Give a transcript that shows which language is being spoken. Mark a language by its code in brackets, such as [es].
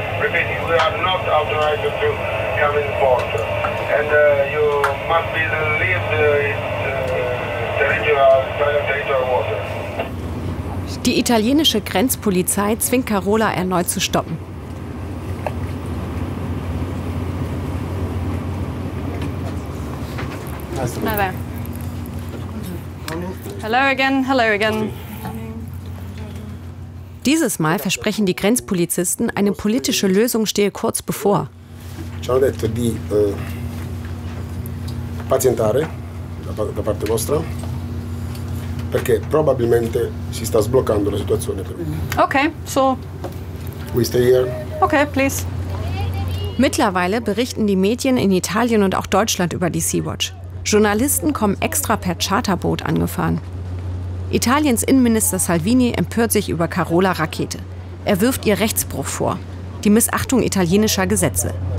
[en] Repeat, you are not authorized to come in the port. And you must be leave the territory water. [de] Die italienische Grenzpolizei zwingt Carola erneut zu stoppen. Hallo. [en] Hello again, hello again. [de] Dieses Mal versprechen die Grenzpolizisten, eine politische Lösung stehe kurz bevor. [it] Ci hanno detto di pazientare da parte vostra, perché probabilmente si sta sbloccando la situazione. [en] Okay, so. We stay here. Okay, please. [de] Mittlerweile berichten die Medien in Italien und auch Deutschland über die Sea-Watch. Journalisten kommen extra per Charterboot angefahren. Italiens Innenminister Salvini empört sich über Carola Rackete. Er wirft ihr Rechtsbruch vor, die Missachtung italienischer Gesetze.